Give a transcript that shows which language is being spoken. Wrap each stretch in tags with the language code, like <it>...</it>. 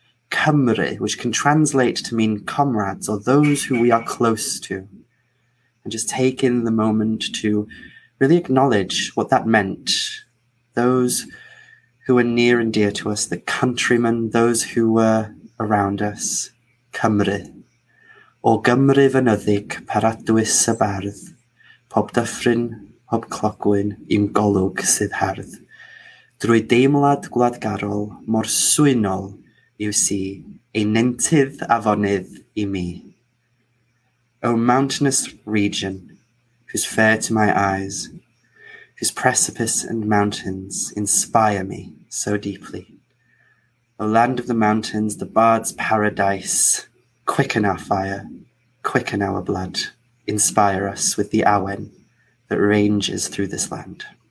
<en>Cymru, which can translate to mean comrades or those who we are close to. And just take in the moment to really acknowledge what that meant. Those who were near and dear to us, the countrymen, those who were around us. Cymru.</en> <cy>O Gymru fynyddig paradwys y bardd, pob dyffryn, pob clogwyn, i'm golwg sydd hardd. Drwy deimlad gwladgarol, mor swynol yw si, ei nentydd afonydd i mi.</cy> <en>O mountainous region, whose fair to my eyes, whose precipice and mountains inspire me so deeply. O land of the mountains, the bard's paradise, quicken our fire, quicken our blood, inspire us with the awen that ranges through this land.</en>